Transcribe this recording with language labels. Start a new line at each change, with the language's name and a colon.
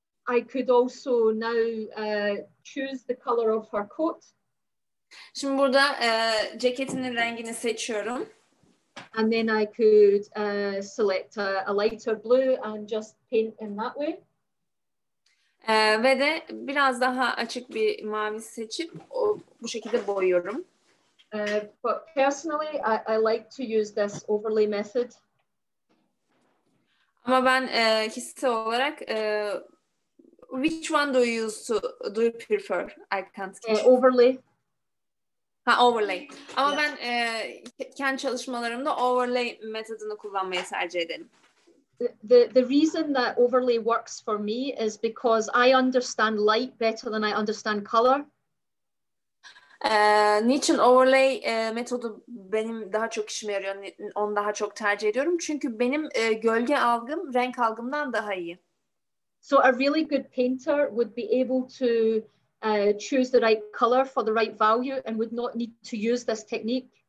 English: I could also now choose the color of her coat.
Turkish: Şimdi burada ceketinin rengini seçiyorum.
English: And then I could select a lighter blue and just paint in that way.
Turkish: Ve de biraz daha açık bir mavi seçip bu şekilde boyuyorum.
English: But personally I like to use this overlay method.
Turkish: Ama ben kişisel olarak
English: which one do you use to do you prefer? I can't guess. Overlay.
Turkish: Ha, overlay. Ama ben kendi çalışmalarımda overlay metodunu kullanmayı tercih ederim.
English: The reason that overlay works for me is because I understand light better than I understand color.
Turkish: Niçin overlay metodu benim daha çok işime yarıyor? Onu daha çok tercih ediyorum. Çünkü benim gölge algım renk algımdan daha iyi.
English: So a really good painter would be able to choose the right color for the right value and would not need to use this technique.